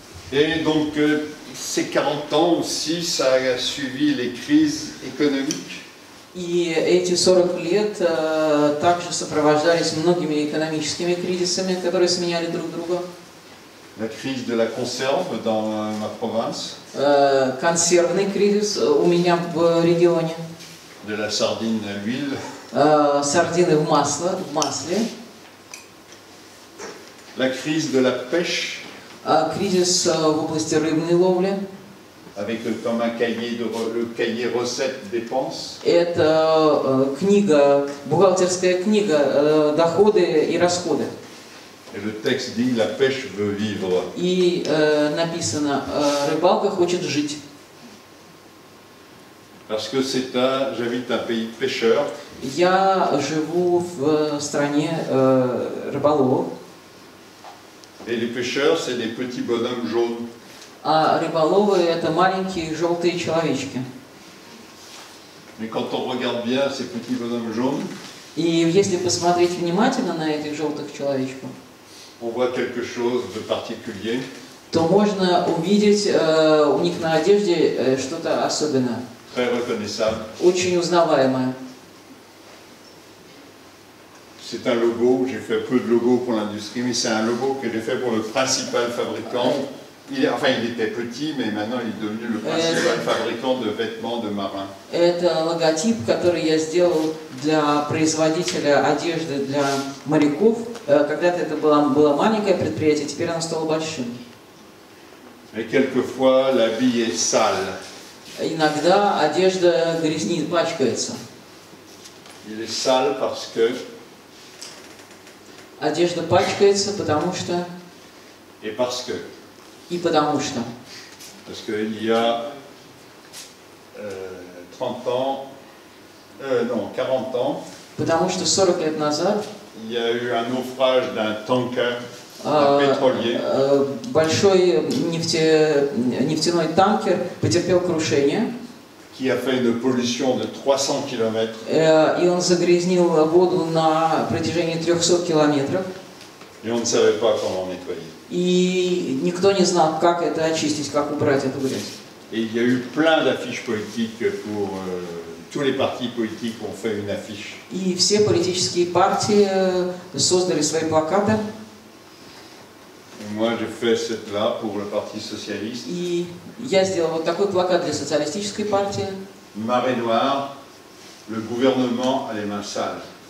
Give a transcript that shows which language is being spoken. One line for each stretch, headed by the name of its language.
French: Et donc ces 40 ans aussi, ça a suivi les crises économiques.
Russian: И эти 40 лет также сопровождались многими экономическими кризисами, которые сменяли друг друга.
French: La crise de la conserve dans ma province.
Russian: Консервный кризис у меня в регионе.
French: De la sardine à l'huile.
Russian: Сардины в масло, в масле.
French: La crise de la pêche.
Russian: Кризис в области рыбной ловли.
French: Avec comme un cahier de le cahier recettes dépenses.
Russian: Это книга, бухгалтерская книга, доходы и расходы.
French: Et le texte dit la pêche veut vivre.
Russian: И написано, рыбалка хочет жить.
French: Parce que c'est un, j'habite un pays pêcheur.
Russian: Я живу в стране рыболовов.
French: Et les pêcheurs, c'est des petits bonhommes jaunes.
Russian: А рыболовы – это маленькие желтые человечки.
French: Mais quand on regarde bien ces petits bonhommes jaunes,
Russian: и если посмотреть внимательно на этих желтых человечков,
French: on voit quelque chose de particulier.
Russian: То можно увидеть у них на одежде что-то особенное.
French: Très reconnaissable.
Russian: Очень узнаваемое.
French: C'est un logo, j'ai fait peu de logos pour l'industrie, mais c'est un logo que j'ai fait pour le principal fabricant. Il était petit, mais maintenant il est devenu le principal fabricant de vêtements de marins. C'est un
Russian: логотип, который я сделал для производителя одежды для моряков. Когда-то это было маленькое предприятие, теперь оно стало большим.
French: Et quelquefois l'habit est sale.
Russian: Иногда одежда грязнит, пачкается.
French: Il est sale parce que
Russian: одежда пачкается, потому что...
French: Et parce que...
Russian: И потому что...
French: Parce que il y a 30 ans... Non, 40 ans...
Russian: Потому что 40 лет назад...
French: Il y a eu un naufrage d'un tanker, d'un pétrolier.
Russian: Большой нефтяной танкер потерпел крушение.
French: Qui a fait une pollution de 300 km.
Russian: И он загрязнил воду на протяжении 300 километров.
French: Et on ne savait pas comment nettoyer.
Russian: И никто не знал, как это очистить, как убрать эту грязь.
French: Et il y a eu plein d'affiches politiques pour tous les partis politiques ont fait une affiche.
Russian: И все политические партии создали свои плакаты.
French: Moi, j'ai fait cela pour le Parti socialiste.
Russian: И я сделал вот такой плакат для социалистической партии.
French: Marée noire, le gouvernement a les mains sales.